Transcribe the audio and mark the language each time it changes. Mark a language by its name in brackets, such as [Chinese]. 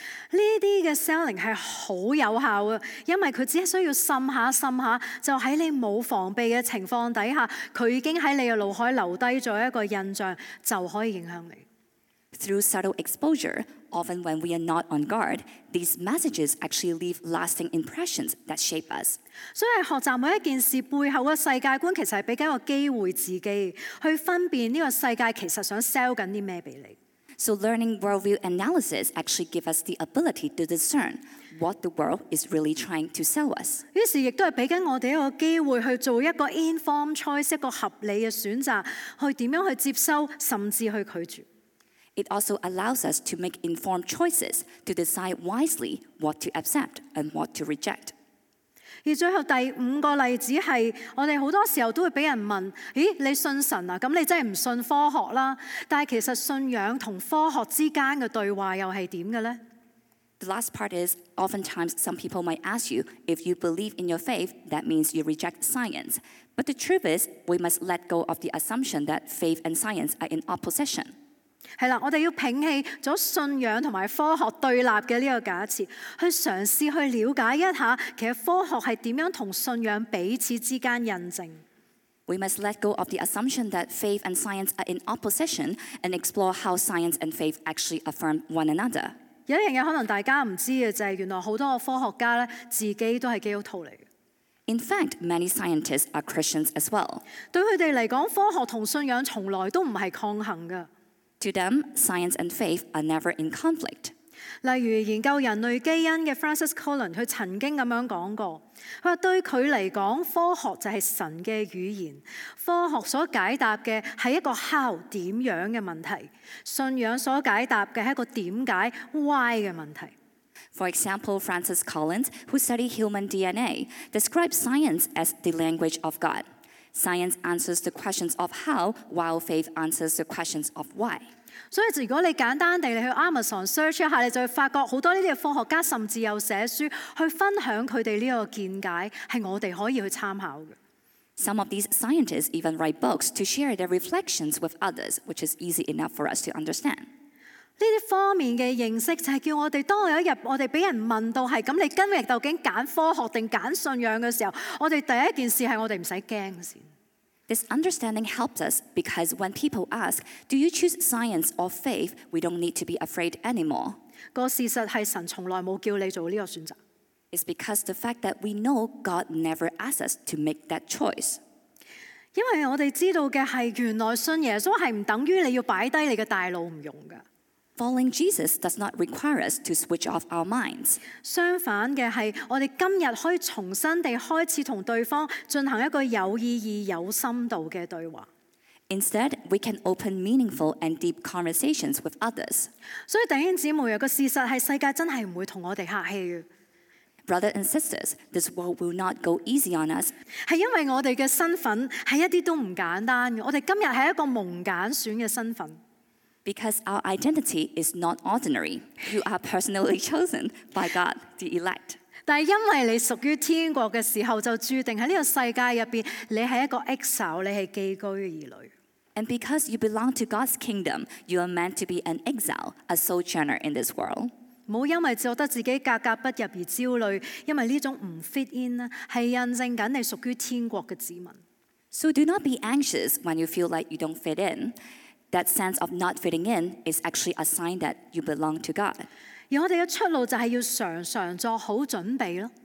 [Chinese] 这些 selling 是很有效的，因为它只需要渗下渗下，就在你没有防备的情况底下，它已经在你的脑海留下了一个印象，就可以影响你。 [English] Through subtle exposure, often when we are not on guard, these messages actually leave lasting impressions that shape us. [Chinese] 所以学习每一件事背后的世界观，其实是给自己一个机会，自己去分辨这个世界其实想 sell 什么给你。 [English] So learning worldview analysis actually gives us the ability to discern what the world is really trying to sell us. [Chinese] 于是也是给我们一个机会去做一个 [English] informed choice, [Chinese] 一个合理的选择，去怎样去接收，甚至去拒绝。 [English] It also allows us to make informed choices to decide wisely what to accept and what to reject. [Chinese] 而最后第五个例子是，我们很多时候都会被人问，咦，你信神啊？那你真的不信科学啦？但其实信仰和科学之间的对话又是怎样的呢？ [English] The last part is, oftentimes some people might ask you, if you believe in your faith, that means you reject science. But the truth is, we must let go of the assumption that faith and science are in opposition. [Chinese] 是的，我们要摒弃了信仰和科学对立的这个假设，去尝试去了解一下，其实科学是怎样跟信仰彼此之间印证。 [English] We must let go of the assumption that faith and science are in opposition and explore how science and faith actually affirm one another. [Chinese] 有一件事可能大家不知道的，就是原来很多科学家自己都是基督徒来的。 [English] In fact, many scientists are Christians as well. [Chinese] 对他们来说，科学和信仰从来都不是抗衡的。 [English] To them, science and faith are never in conflict. [Chinese] 例如研究人类基因的 Francis Collins, 他曾经这样讲过，他说对他来讲，科学就是神的语言，科学所解答的是一个 how, 怎样的问题，信仰所解答的是一个怎解 why 的问题。 [English] For example, Francis Collins, who studied human DNA, described science as the language of God. Science answers the questions of how, while faith answers the questions of why. [Chinese] 所以如果你简单地去 Amazon search 一下，你就会发觉很多这些科学家甚至有写书去分享他们这个见解，是我们可以去参考的。 [English] Some of these scientists even write books to share their reflections with others, which is easy enough for us to understand. [Chinese] 这些方面的认识就是叫我们当有一天我们被人问到是那你今天究竟选科学还是选信仰的时候，我们第一件事是我们不用怕先。 [English] This understanding helps us because when people ask, do you choose science or faith, we don't need to be afraid anymore. [Chinese] 个事实是神从来没有叫你做这个选择。 [English] It's because the fact that we know God never asks us to make that choice. [Chinese] 因为我们知道的是原来信耶稣是不等于你要摆低你的大脑不用的。 [English] Following Jesus does not require us to switch off our minds. [Chinese] 相反的是，我们今天可以重新地开始和对方进行一个有意义、有深度的对话。 [English] Instead, we can open meaningful and deep conversations with others. [Chinese] 所以弟兄姊妹，有个事实是世界真的不会跟我们客气。 [English] Brothers and sisters, this world will not go easy on us. [Chinese] 是因为我们的身份是一点都不简单的，我们今天是一个蒙拣选的身份。 [English] Because our identity is not ordinary. You are personally chosen by God, the elect. [Chinese] 但是因为你属于天国的时候，就注定在这个世界里面，你是一个 exile， 你是寄居的儿女。 [English] And because you belong to God's kingdom, you are meant to be an exile, a sojourner in this world. [Chinese] 不要因为觉得自己格格不入而焦虑，因为这种不 [English] fit in [Chinese] 是印证你属于天国的子民。 [English] So do not be anxious when you feel like you don't fit in. That sense of not fitting in is actually a sign that you belong to God. [Chinese] 而我们的出路就是要常常做好准备。